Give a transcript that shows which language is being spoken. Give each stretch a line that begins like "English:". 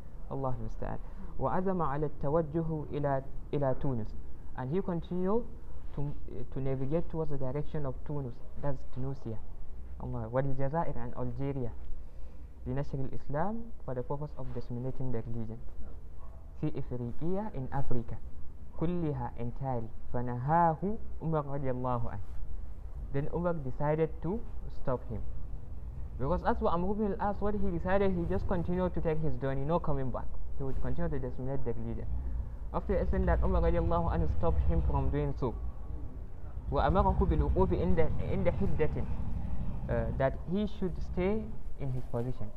Arabic: Allah المستعان.
English: وعزم على التوجه إلى Tunis, and he continued to navigate towards the direction of Tunis, that's Tunisia, and Algeria, and Algeria, the national Islam for the purpose of disseminating the religion. في إفريقيا, in Africa, كلها entirely.
Arabic: فنهاه عمر رضي الله عنه.
English: Then Umar decided to stop him, because as Amr ibn al-As, what he decided, he just continued to take his journey, no coming back. He would continue to disseminate the religion. After saying that, Umar رضي الله عنه stopped him from doing so. وأمره بالوقوف عند حدة that he should stay in his position.